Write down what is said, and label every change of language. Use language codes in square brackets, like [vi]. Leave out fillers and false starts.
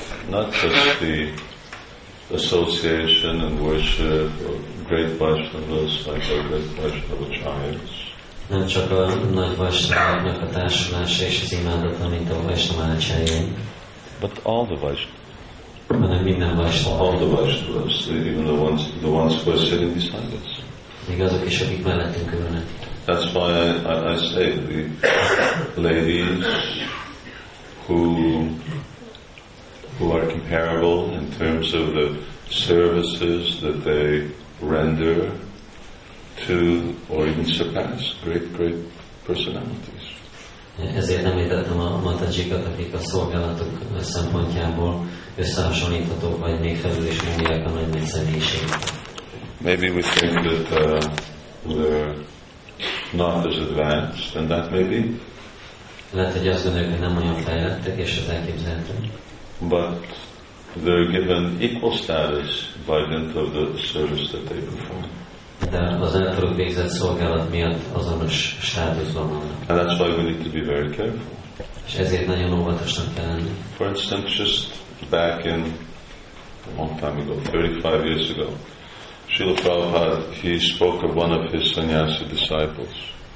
[en] not just the association and worship of great Vaishnavas like our great Vaishnava chants. [hu] Nem csak a nagy Vaishnavának a társulása és az imádata, mint a Vaishnava chants. [en] But all the Vaishnavas. [hu] Hanem minden Vaishnava. [en] All the Vaishnavas, even the ones who are sitting beside us. [hu] Még azok is, akik mellettünk ülnek. [en] That's why I say the ladies who are comparable in terms of the services that they render to or even surpass great, great personalities. [hu] Ezért nem értettem a matajikat, akik a szolgálatok szempontjából összehasonlítható, vagy még felül is mondják a nagy személyiség. [en] Maybe we think that they're not as advanced, and that may be. [hu] Lehet, hogy azt gondoljuk, hogy nem olyan fejlettek, és ez elképzelhető. [en] But they're given equal status by dint of the service that they perform. [hu] De az általuk végzett szolgálat miatt azonos státuszban vannak. [en] And that's why we need to be very careful. [hu] És ezért nagyon óvatosnak kell lenni. [en] For instance, just back in a long time ago, 35 years ago, Srila Prabhupada, he spoke of one of his sannyasi disciples.